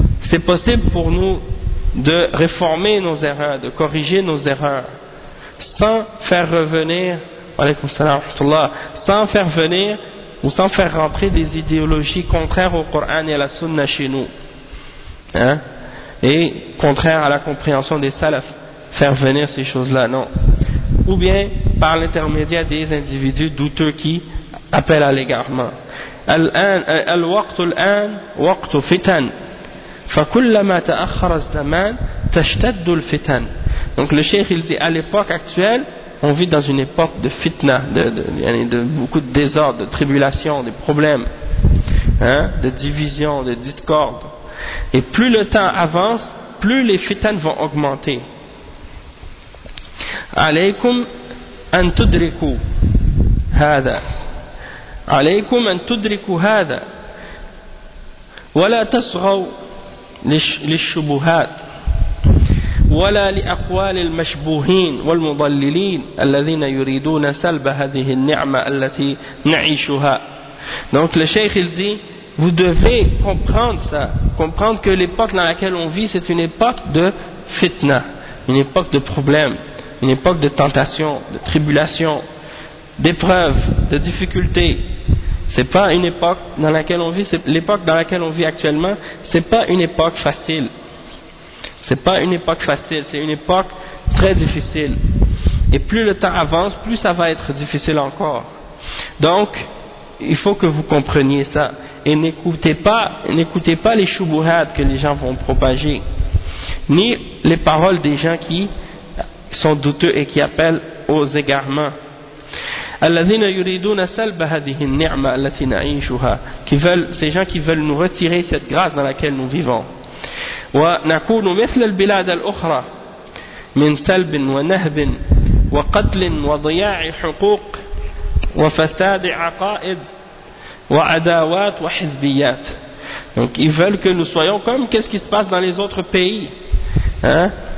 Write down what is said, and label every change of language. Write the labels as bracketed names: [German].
[French] c'est possible pour nous de réformer nos erreurs, de corriger nos erreurs, sans faire revenir, [Arabic] alaykoum salam wa rahmatullah, [French] sans faire venir ou sans faire rentrer des idéologies contraires au Coran et à la Sunna chez nous, hein, et contraires à la compréhension des salafs, faire venir ces choses-là, non. Ou bien par l'intermédiaire des individus douteux qui appellent à l'égarement. [Arabic] الوقت الآن وقت فتن فكلما تأخر الزمان تشتد الفتن. [French] Donc le cheikh il dit à l'époque actuelle on vit dans une époque de fitna, de beaucoup de désordre, de tribulation, des problèmes, hein, de division, de discorde, et plus le temps avance plus les fitnes vont augmenter. [Arabic] عليكم أن تدركوا هذا عليكم أن تدركوا هذا ولا تصغوا للشبهات ولا لأقوال المشبوهين والمضللين الذين يريدون سلب هذه النعمة التي نعيشها. [French] Donc le cheikh il dit vous devez comprendre ça, comprendre que l'époque dans laquelle on vit c'est une époque de fitna, une époque de problèmes, une époque de tentation, de tribulation, d'épreuves, de difficultés. C'est pas une époque dans laquelle on vit, c'est l'époque dans laquelle on vit actuellement, c'est pas une époque facile. C'est pas une époque facile, c'est une époque très difficile. Et plus le temps avance, plus ça va être difficile encore. Donc, il faut que vous compreniez ça. Et n'écoutez pas les choubouhades que les gens vont propager, ni les paroles des gens qui sont douteux et qui appellent aux égarements. [Arabic] الذين يريدون سلب هذه النعمة التي نعيشها. [French] Ces gens qui veulent nous retirer cette grâce dans laquelle nous vivons. [Arabic] ونكون مثل البلاد الأخرى من سلب ونهب وقتل وضياع حقوق وفساد عقائد وعداوات وحزبيات. [French] Donc ils veulent que nous soyons comme qu'est-ce qui se passe dans les autres pays, hein?